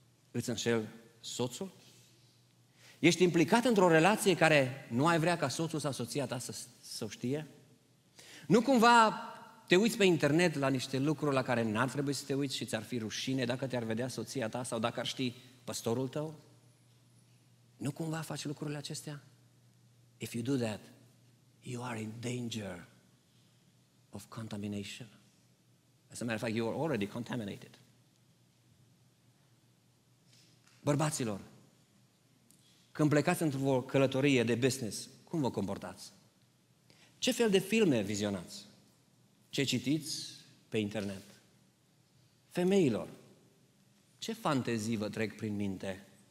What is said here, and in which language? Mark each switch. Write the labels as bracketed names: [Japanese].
[Romanian] Îți înșel soțul? Ești implicat într-o relație care nu ai vrea ca soțul sau soția ta să o știe? Nu cumva te uiți pe internet la niște lucruri la care n-ar trebui să te uiți și ți-ar fi rușine dacă te-ar vedea soția ta sau dacă ar ști păstorul tău? Nu cumva faci lucrurile acestea? [English] If you do that, you are in danger of contamination. As a matter of fact, you are already contaminated. [Romanian] Bărbaților, când plecați într-o călătorie de business, cum vă comportați? Ce fel de filme vizionați? Ce citiți pe internet? Femeilor, ce fantezii vă trec prin minte?